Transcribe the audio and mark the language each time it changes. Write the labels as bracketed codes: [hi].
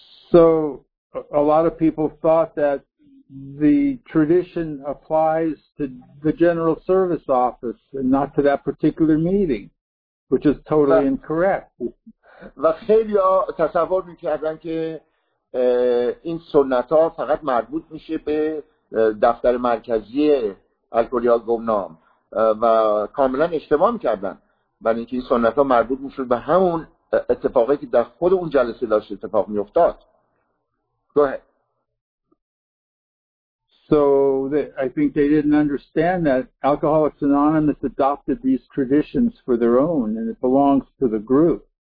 [en] So a lot of people thought that the tradition applies to the general service office and not to that particular meeting, which is totally incorrect. [fa] و خیلی ها تصور میکردن که این سنت ها فقط مربوط میشه به دفتر مرکزی الکولیال گمنام و کاملا اشتباه میکردن، برای اینکه این سنت ها مربوط میشه به همون اتفاقی که در خود اون جلسه داشت اتفاق میفتاد. [en] Go ahead. So I think they didn't understand that Alcoholics Anonymous adopted these traditions for their own, and it belongs to the group.